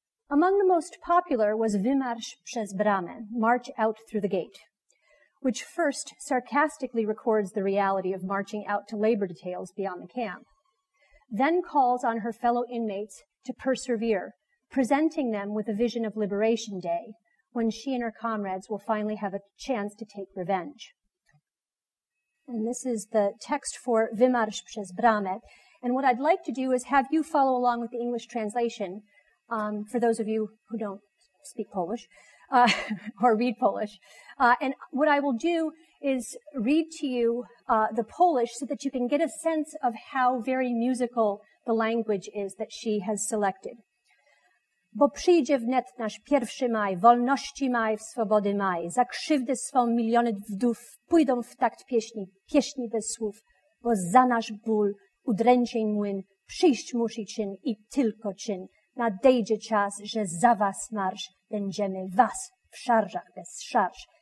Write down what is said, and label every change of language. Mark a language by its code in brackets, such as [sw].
[en] Among the most popular was Wymarsz przez Bramę, March Out Through the Gate, which first sarcastically records the reality of marching out to labor details beyond the camp, then calls on her fellow inmates to persevere, presenting them with a vision of Liberation Day, when she and her comrades will finally have a chance to take revenge. And this is the text for Wymarsz przez Bramę. And what I'd like to do is have you follow along with the English translation, for those of you who don't speak Polish, or read Polish. And what I will do is read to you the Polish so that you can get a sense of how very musical the language is that she has selected. [pl] Bo przyjdzie wnet nasz pierwszy maj, wolności maj, swobody maj. Za krzywdę swą miliony wdów pójdą w takt pieśni, pieśni bez słów. Bo za nasz ból, udręczeń młyn, przyjść musi czyn i tylko czyn. Nadejdzie czas, że za was marsz, będziemy was w szarżach bez szarż.